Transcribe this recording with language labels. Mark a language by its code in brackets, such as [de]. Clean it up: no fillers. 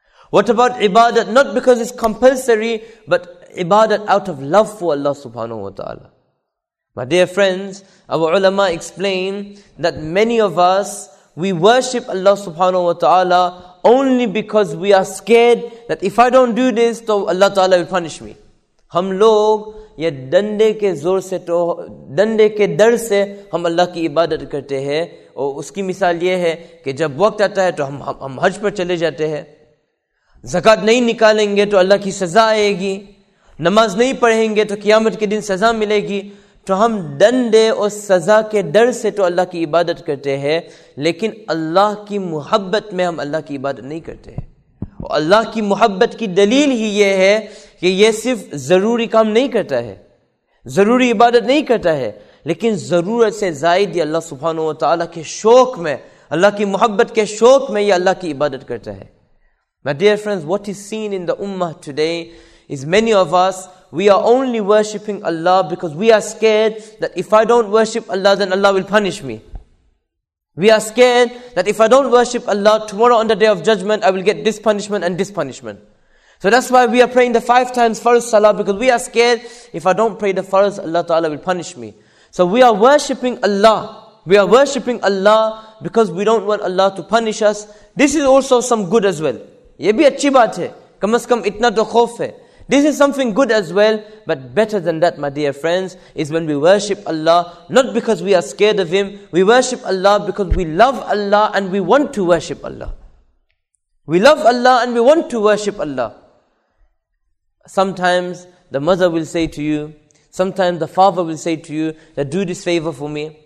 [en] What about ibadat, not because it's compulsory, but ibadat out of love for Allah Subhanahu wa Ta'ala? My dear friends, our ulama explain that many of us, we worship Allah Subhanahu wa Ta'ala only because we are scared that if I don't do this, then Allah Ta'ala will punish me. [ur] ہم لوگ یہ ڈنڈے کے زور سے تو ڈنڈے کے ڈر سے ہم اللہ کی عبادت کرتے ہیں. اور اس کی مثال یہ ہے کی جب وقت آتا ہے تو ہم حج پر چلے جاتے ہیں. زکات نہیں نکالیں گے تو اللہ کی سزا آئے گی. نماز نہیں پڑھیں گے تو قیامہ کے دن سزا ملے گی. تو ہم ڈنڈے اور سزا کے ڈر سے تو اللہ کی عبادت کرتے ہیں، لیکن اللہ کی محبت میں ہم اللہ کی عبادت نہیں کرتے ہیں. اور اللہ کی محبت کی دلیل ہی یہ ہے کی یہ صرف ضروری کام نہیں کرتا ہے، ضروری عبادت نہیں کرتا ہے، لیکن ضرورت سے زائد یہ اللہ سبحانہ و تعالیٰ کے شوق میں، اللہ کی محبت کے شوق میں یہ اللہ کی عبادت کرتا ہے. [en] My dear friends, what is seen in the ummah today is many of us, we are only worshipping Allah because we are scared that if I don't worship Allah, then Allah will punish me. We are scared that if I don't worship Allah, tomorrow on the day of judgment, I will get this punishment and this punishment. So that's why we are praying the five times farz salah, because we are scared if I don't pray the farz, Allah Ta'ala will punish me. So we are worshipping Allah. We are worshipping Allah because we don't want Allah to punish us. This is also some good as well. [ur] یہ بھی اچھی بات ہے. کم از کم اتنا تو خوف ہے. [en] This is something good as well, but better than that, my dear friends, is when we worship Allah, not because we are scared of Him. We worship Allah because we love Allah and we want to worship Allah. We love Allah and we want to worship Allah. Sometimes the mother will say to you, sometimes the father will say to you, that do this favor for me.